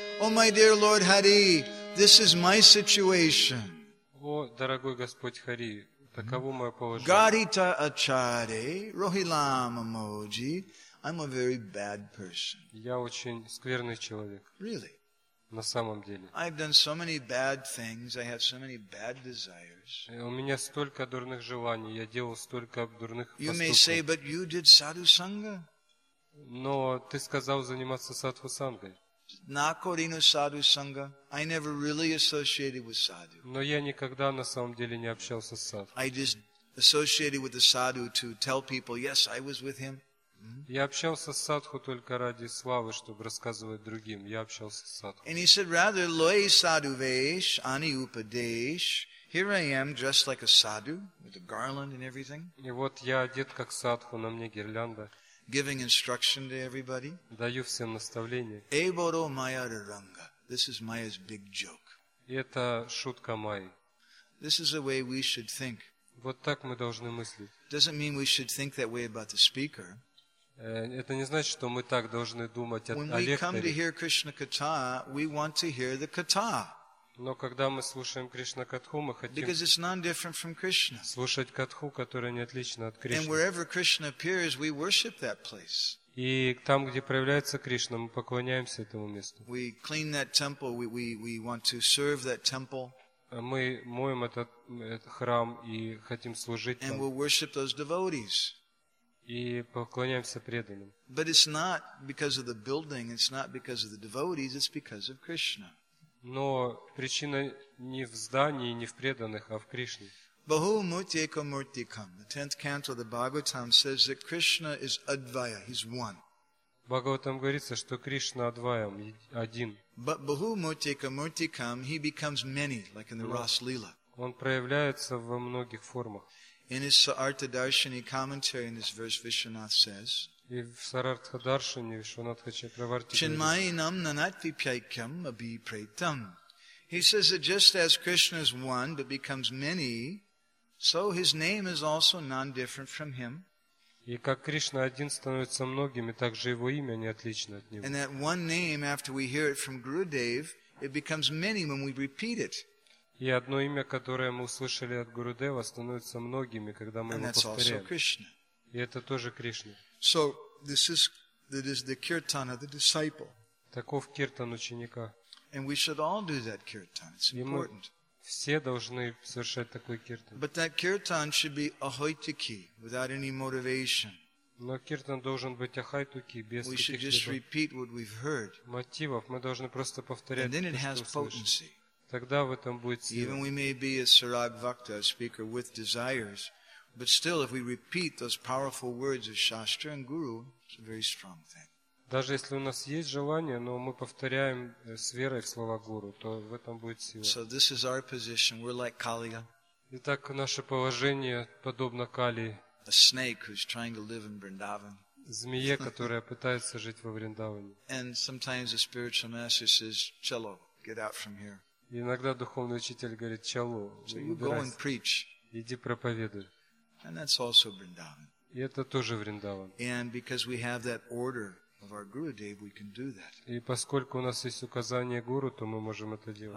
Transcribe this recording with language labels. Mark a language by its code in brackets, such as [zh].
[en] Oh my dear Lord Hari, this is my situation. [ru] О, дорогой Господь Хари, таково мое положение. [bn] Garita achare rohilama moji. [en] I'm a very bad person. [ru] Я очень скверный человек. [en] Really? [ru] На самом деле. [en] I've done so many bad things. I have so many bad desires. [ru] У меня столько дурных желаний. Я делал столько дурных поступков. [en] You may say, but you did sadhu sangha. [ru] Но ты сказал заниматься садху сангой. [bn] Nakorinu sadhu sangha, [en] I never really associated with sadhu. [ru] Но я никогда на самом деле не общался с садху. [en] I just associated with the sadhu to tell people, yes, I was with him. [ru] Я общался с садху только ради славы, чтобы рассказывать другим. Я общался с садху. [en] And he said, rather, [bn] loi sadhuvesh ani upadesh. [en] Here I am, dressed like a sadhu, with a garland and everything. [ru] И вот я одет как садху, на мне гирлянда. [en] Giving instruction to everybody. [ru] Даю всем наставление. [bn] Eboro Maya Raranga. [en] This is Maya's big joke. [ru] Это шутка Майи. [en] This is the way we should think. [ru] Вот так мы должны мыслить. [en] Doesn't mean we should think that way about the speaker. [ru] Это не значит, что мы так должны думать о лекторе. [en] When we come to hear Krishna Katha, we want to hear the Katha. [ru] Но когда мы слушаем Кришна Катху, мы хотим [en] because it's not different from Krishna. [ru] Слушать Катху, которая не отлична от Кришны. [en] And wherever Krishna appears, we worship that place. [ru] И там, где проявляется Кришна, мы поклоняемся этому месту. [en] We clean that temple, we want to serve that temple. [ru] Мы моем этот храм и хотим служить там. [en] And we worship those devotees. [ru] И поклоняемся преданным. [en] But it's not because of the building, it's not because of the devotees, it's because of Krishna. [ru] Но причина не в здании, не в преданных, а в Кришне. [en] Bahumutyekamurtikam. The 10th canto of the Bhagavatam says that Krishna is Advaya, he's one. [ru] Бхагаватам говорится, что Кришна Адваям, один. [en] But Bahumutyekamurtikam, he becomes many, like in the Ras Lila. [ru] Он проявляется во многих формах. [en] In his Sarathadarshini commentary in this verse, Vishwanath says, [ru] И в Сарартхадаршине Вишванатхачакраварти [sa] Чинмайинам нанатви пьайкям аби прейтам. [en] He says that just as Krishna is one but becomes many, so his name is also non-different from him. [ru] И как Кришна один становится многими, так же его имя не отлично от него. [en] And that one name, after we hear it from Gurudev, it becomes many when we repeat it. [ru] И одно имя, которое мы услышали от Гурудева, становится многими, когда мы [en] And [ru] его повторяем. [en] And that's also Krishna. [ru] И это тоже Кришна. [en] So this is the kirtan of the disciple. [ru] Таков киртан ученика. [en] And we should all do that kirtan. It's important. [ru] Все должны совершать такой киртан. [en] But that kirtan should be ahoitiki, without any motivation. [ru] Но киртан должен быть ахайтуки, без каких-либо. [en] We should just repeat what we've heard. [ru] Мотивов мы должны просто повторять. [en] And then it has potency. [ru] Тогда в этом будет сила. [en] Even we may be a sarag vakta, a speaker with desires. But still, if we repeat those powerful words of Shastra and Guru, it's a very strong thing. [ru] Даже если у нас есть желание, но мы повторяем с верой в слова Гуру, то в этом будет сила. [en] So this is our position. We're like Kaliya. [ru] Итак, наше положение подобно Кали. [en] A snake who's trying to live in Vrindavan. [ru] Змея, которая пытается жить во Вриндаване. [en] And sometimes the spiritual master says, "Chalo, get out from here." [ru] Иногда духовный учитель говорит, "Чало, иди проповедуй." [en] And that's also Vrindavan. [ru] И это тоже Вриндаван. [en] And because we have that order of our Gurudev, we can do that. [ru] И поскольку у нас есть указание Гуру, то мы можем это делать.